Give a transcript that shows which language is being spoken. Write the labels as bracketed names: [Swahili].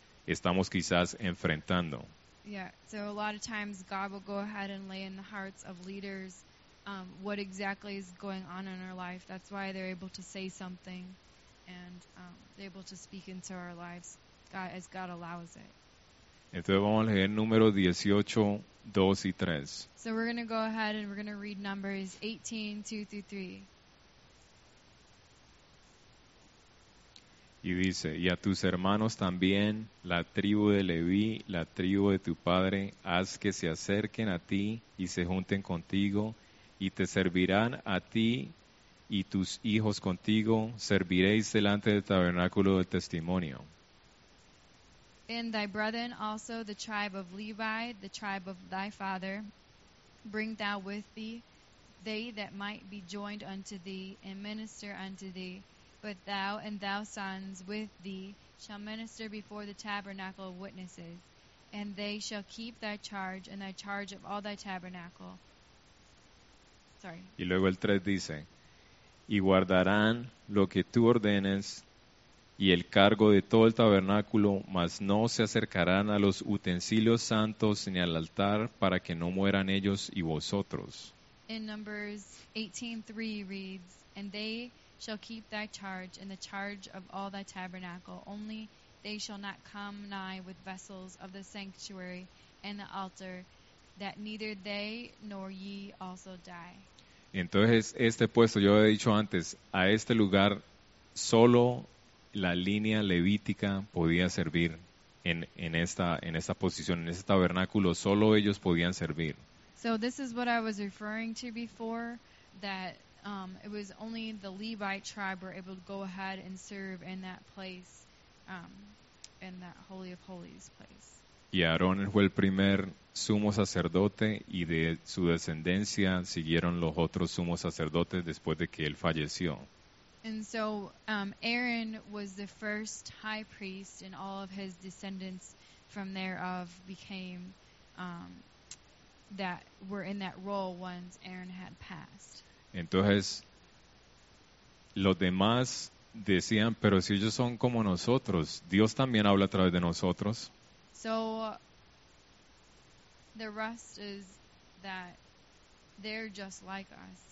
[Spanish] estamos quizás enfrentando. [English] Yeah, so a lot of times God will go ahead and lay in the hearts of leaders what exactly is going on in our life. That's why they're able to say something and they're able to speak into our lives God, as God allows it. [Spanish] Entonces vamos a leer número 18, 2 y 3. [English] So we're going to go ahead and we're going to read numbers 18, 2 through 3. [Spanish] Y dice, y a tus hermanos también, la tribu de Leví, la tribu de tu padre, haz que se acerquen a ti y se junten contigo, y te servirán a ti y tus hijos contigo, serviréis delante del tabernáculo del testimonio. [English] And thy brethren also, the tribe of Levi, the tribe of thy father, bring thou with thee, they that might be joined unto thee, and minister unto thee. But thou and thou sons with thee shall minister before the tabernacle of witnesses, and they shall keep thy charge and thy charge of all thy tabernacle. Sorry. [Spanish] Y luego el 3 dice, y guardarán lo que tú ordenes y el cargo de todo el tabernáculo, mas no se acercarán a los utensilios santos ni al altar para que no mueran ellos y vosotros. [English] In Numbers 18:3 reads, and they shall keep thy charge and the charge of all thy tabernacle, only they shall not come nigh with vessels of the sanctuary and the altar, that neither they nor ye also die. [Spanish] Entonces, este puesto, yo he dicho antes, a este lugar solo la línea levítica podía servir en esta posición, en este tabernáculo, solo ellos podían servir. [English] So this is what I was referring to before, that it was only the Levite tribe were able to go ahead and serve in that place, in that Holy of Holies place. [Spanish] Y Aarón fue el primer sumo sacerdote, y de su descendencia siguieron los otros sumos sacerdotes después de que él falleció. [English] And so Aaron was the first high priest, and all of his descendants from thereof became that were in that role once Aaron had passed. [Spanish] Entonces, los demás decían, pero si ellos son como nosotros, Dios también habla a través de nosotros. [English] So, the rest is that they're just like us.